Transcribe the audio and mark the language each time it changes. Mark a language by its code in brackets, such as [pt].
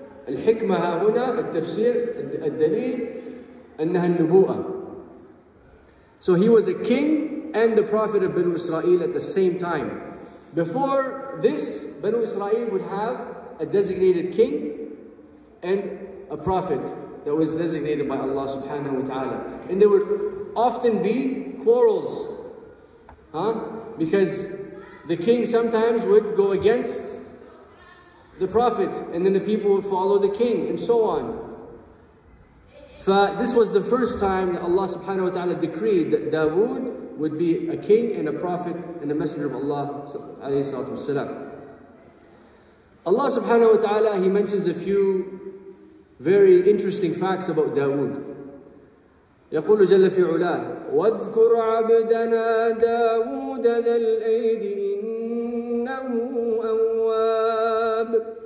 [ar] الحكمة ها هنا التفسير الدليل أنها النبوءة. [en] So he was a king and the prophet of Banu Israel at the same time. Before this, Banu Israel would have a designated king and a prophet that was designated by Allah subhanahu wa ta'ala. And there would often be quarrels. Because the king sometimes would go against the prophet, and then the people would follow the king, and so on. This was the first time that Allah subhanahu wa ta'ala decreed that Dawud would be a king and a prophet and a messenger of Allah alayhi salatu wasalam. Allah subhanahu wa ta'ala, he mentions a few very interesting facts about Dawud. [ar] يقول جل في علاه واذكر عبدنا داود ذا الأيد إنه أواب.